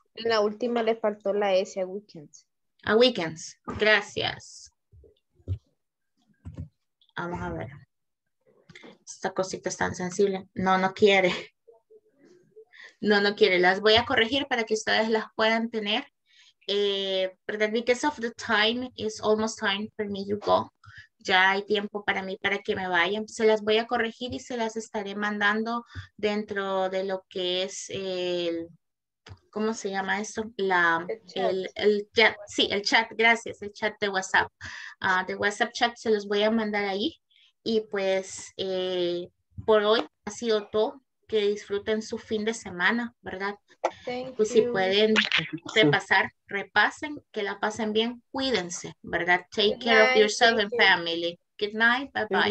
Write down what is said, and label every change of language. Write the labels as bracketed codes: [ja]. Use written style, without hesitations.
[es] En la última le faltó la S a weekends. A weekends. Gracias. Vamos a ver. Esta cosita es tan sensible. No, no quiere. No, no quiere. Las voy a corregir para que ustedes las puedan tener. [en] Because of the time, it's almost time for me to go. [es] Ya hay tiempo para mí para que me vayan. Se las voy a corregir y se las estaré mandando dentro de lo que es el... ¿Cómo se llama esto? La, el chat. Gracias. El chat de WhatsApp. De WhatsApp chat se los voy a mandar ahí. Y pues por hoy ha sido todo. Que disfruten su fin de semana, ¿verdad? Pues si pueden repasar, repasen, que la pasen bien, cuídense, ¿verdad? [en] Take good care night, of yourself and you. Family. Good night, bye bye.